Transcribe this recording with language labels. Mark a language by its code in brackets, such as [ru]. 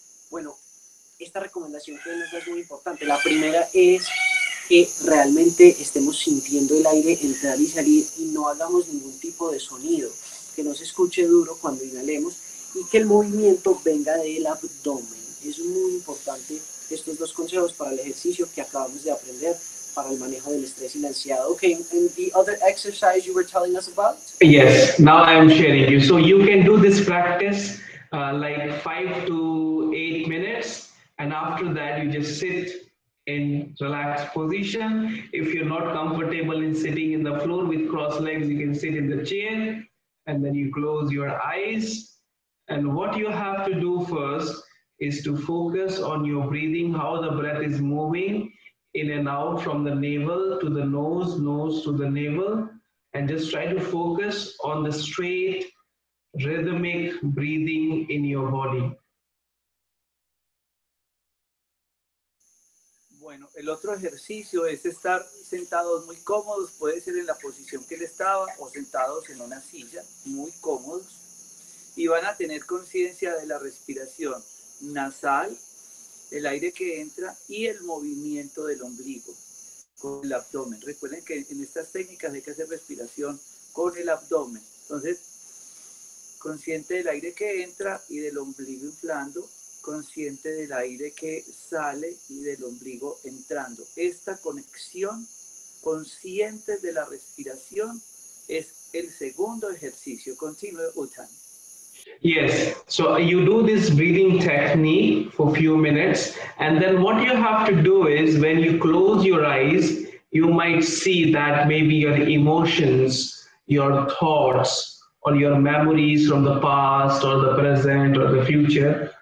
[es] Bueno, esta recomendación que nos da es muy importante. La primera es que realmente estemos sintiendo el aire entrar y salir y no hagamos ningún tipo de sonido, que no se escuche duro cuando inhalemos y que el movimiento venga del abdomen. Es muy importante estos dos consejos para el ejercicio que acabamos de aprender para el manejo del estrés y la ansiedad. [en] Okay, and the other exercise you were telling us about? Yes, now I'm sharing you. So you can do this practice like 5 to 8 minutes, and after that you just sit in relaxed position. If you're not comfortable in sitting in the floor with cross legs, you can sit in the chair, and then you close your eyes. And what you have to do first is to focus on your breathing, how the breath is moving in and out from the navel to the nose, nose to the navel, and just try to focus on the straight rhythmic breathing in your body. [es] Bueno, el otro ejercicio es estar sentados muy cómodos, puede ser en la posición que él estaba o sentados en una silla, muy cómodos, y van a tener conciencia de la respiración nasal, el aire que entra y el movimiento del ombligo con el abdomen. Recuerden que en estas técnicas hay que hacer respiración con el abdomen. Entonces, consciente del aire que entra y del ombligo inflando, consciente del aire que sale y del ombligo entrando. Esta conexión consciente de la respiración es el segundo ejercicio. Continúe, Uttam. [en] Yes, so you do this breathing technique for a few minutes, and then what you have to do is when you close your eyes, you might see that maybe your emotions, your thoughts, or your memories from the past or the present or the future